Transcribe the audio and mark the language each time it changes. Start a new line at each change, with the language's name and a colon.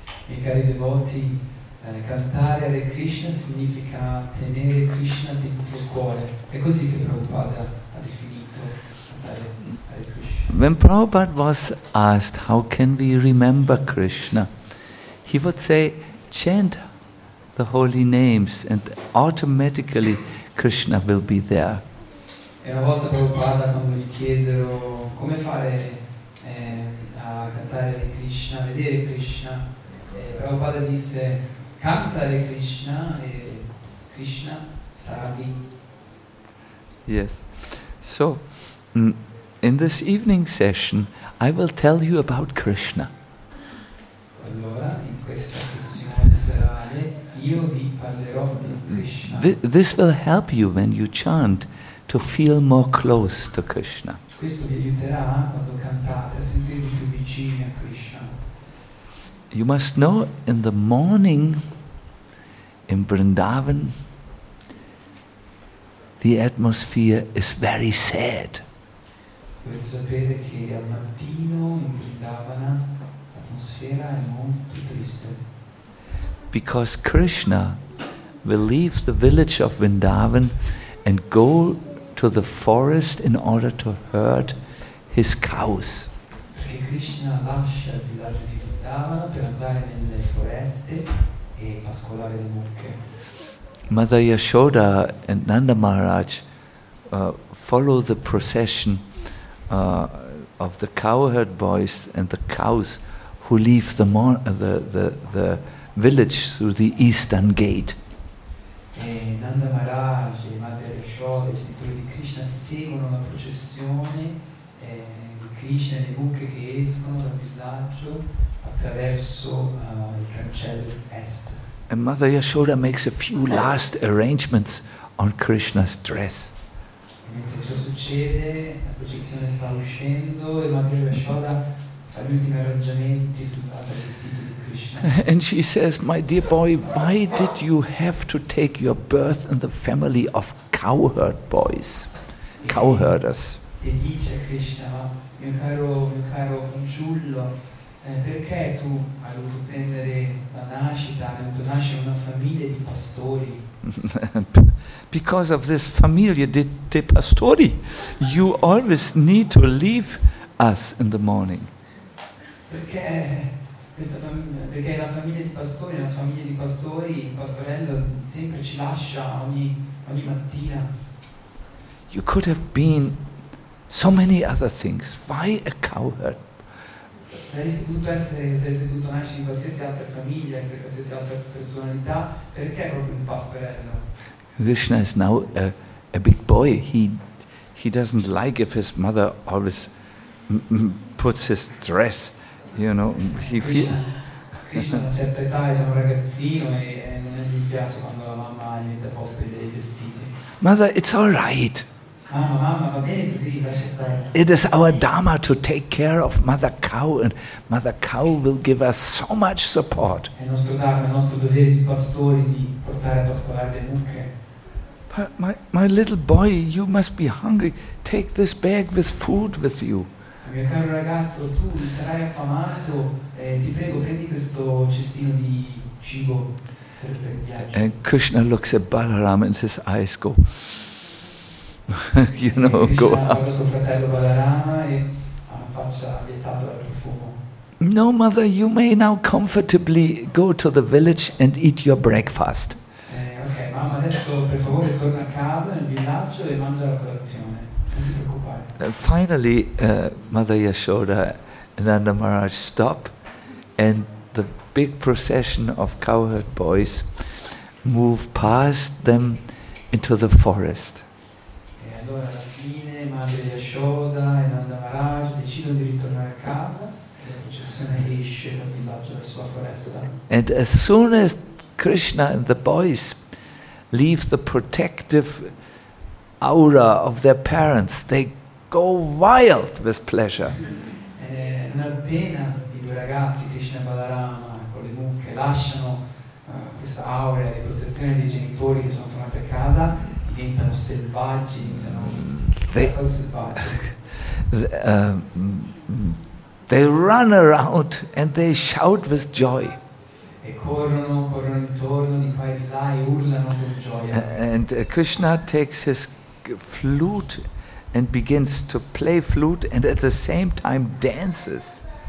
Italian: E cari devoti, cantare Hare Krishna significa tenere Krishna dentro il cuore. È così che Prabhupada ha definito cantare Hare Krishna.
English: When Prabhupada was asked how can we remember Krishna, he would say, chant the holy names and automatically Krishna will be there.
Italian: E una volta Prabhupada, quando gli chiesero come fare a cantare Hare Krishna, vedere Krishna, Prabhupada disse canta Hare Krishna e Krishna sarà lì.
English: Yes. So in this evening session I will tell you about Krishna.
Italian: Allora in questa sessione serale io vi parlerò di Krishna.
English: This will help you when you chant to feel more close to Krishna.
Italian: Questo vi aiuterà quando cantate a sentirvi più vicini a Krishna.
English: You must know in the morning in Vrindavan the atmosphere is very sad.
Italian: Dovete sapere che al mattino in Vrindavana l'atmosfera è molto triste.
English: Because Krishna will leave the village of Vrindavan and go to the forest in order to herd his cows.
Italian: Perché Krishna lascia il villaggio di Vrindavana per andare nelle foreste e pascolare le mucche.
English: Mother Yashoda and Nanda Maharaj follow the procession of the cowherd boys and the cows who leave the village through the eastern gate.
Italian: E Nanda Maharaj e Madre Yashoda, i genitori di Krishna, seguono la processione di Krishna e le mucche che escono dal villaggio attraverso il cancello est.
English: And Mother Yashoda makes a few last arrangements on Krishna's dress.
Italian: E mentre ciò succede, la processione sta uscendo e Madre Yashoda fa gli ultimi arrangiamenti sull'altro vestito.
English: And she says, my dear boy, why did you have to take your birth in the family of cowherd boys, cowherders?
Italian: E dice Krishna, mio caro fanciullo, perché tu hai dovuto prendere la nascita, hai dovuto nascere una famiglia di pastori?
English: Because of this
Italian: familia di pastori,
English: you always need to leave us in the morning.
Italian: Perché? Perché la famiglia di pastori, il pastorello sempre ci lascia ogni mattina.
English: You could have been so many other things. Why a cowherd?
Italian: Saresti potuto nascere in qualsiasi altra famiglia, essere qualsiasi altra personalità. Perché proprio un pastorello?
English: Krishna is now a big boy. He doesn't like if his mother always puts his dress. You know, Krishna, Mother, it's all right. It is our dharma to take care of Mother Cow, and Mother Cow will give us so much support. But my little boy, you must be hungry. Take this bag with food with you.
Italian: Mio caro ragazzo, tu sarai affamato, ti prego, prendi questo cestino di cibo per il viaggio.
English: And Krishna looks at Balaram and his eyes go, you know, Krishna go up.
Italian: Suo fratello Balarama e ha una faccia vietata dal profumo.
English: No, mother, you may now comfortably go to the village and eat your breakfast.
Italian: Ok, mamma, adesso per favore torna a casa nel villaggio e mangia la colazione.
English: Finally, Mother Yashoda and Nanda Maharaj stop, and the big procession of cowherd boys move past them into the forest.
Italian: E allora alla fine Madre Yashoda e Nanda Maharaj decidono di ritornare a casa, e la processione esce dal villaggio della sua foresta.
English: And as soon as Krishna and the boys leave the protective aura of their parents, they go wild with pleasure.
Italian: Non appena i due ragazzi, Krishna e Balarama, con le mucche, lasciano questa aura di protezione dei genitori che sono tornati a casa, diventano selvaggi, iniziano a selvaggi.
English: They run around and they shout with joy.
Italian: E corrono intorno di qua e di là e urlano con gioia.
English: And Krishna takes his flute and begins to play flute and at the same time dances.